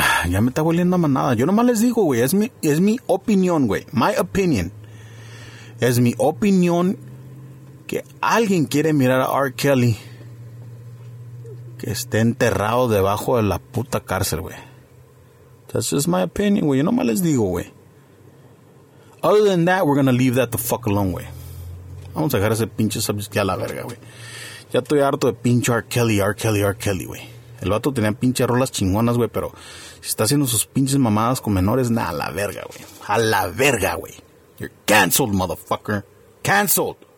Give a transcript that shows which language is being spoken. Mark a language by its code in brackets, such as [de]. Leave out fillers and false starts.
[es] Ya me está volviendo a manada. Yo nomás les digo, güey, es mi opinión, güey. [en] My opinion. [es] Es mi opinión que alguien quiere mirar a R. Kelly que esté enterrado debajo de la puta cárcel, güey. [en] That's just my opinion, güey. [es] Yo nomás les digo, güey. [en] Other than that, we're gonna leave that the fuck alone, güey. [es] Vamos a dejar ese pinche subject a la verga, güey. Ya estoy harto de pinche R. Kelly, güey. El vato tenía pinche rolas chingonas, güey, pero si está haciendo sus pinches mamadas con menores, nah, a la verga, güey. A la verga, güey. [en] You're canceled, motherfucker. Canceled.